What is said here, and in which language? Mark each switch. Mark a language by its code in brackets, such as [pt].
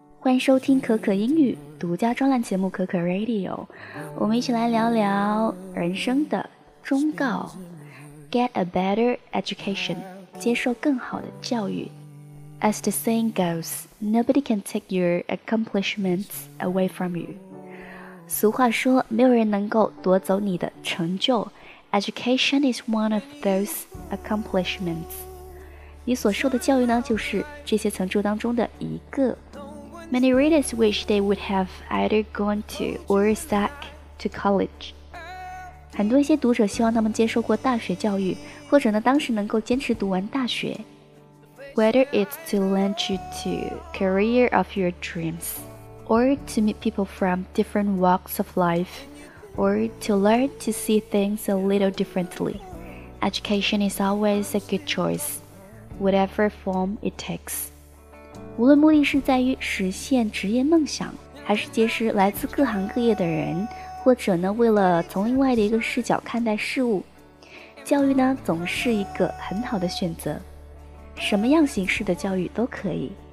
[zh] 欢迎收听可可英语独家专栏节目可可 Radio， 我们一起来聊聊人生的忠告。 [en] Get a better education， [zh] 接受更好的教育。 [en] As the saying goes， Nobody can take your accomplishments away from you。 [zh] 俗话说，没有人能够夺走你的成就。 [en] Education is one of those accomplishments。 [zh] 你所受的教育呢，就是这些成就当中的一个。 [en] Many readers wish they would have either gone to or stuck to college. [zh] 很多一些读者希望他们接受过大学教育，或者呢当时能够坚持读完大学。 [en] Whether it's to land you to career of your dreams, or to meet people from different walks of life, or to learn to see things a little differently, education is always a good choice. Whatever form it takes. [zh] 无论目的是在于实现职业梦想，还是结识来自各行各业的人，或者呢为了从另外的一个视角看待事物，教育呢总是一个很好的选择。什么样形式的教育都可以。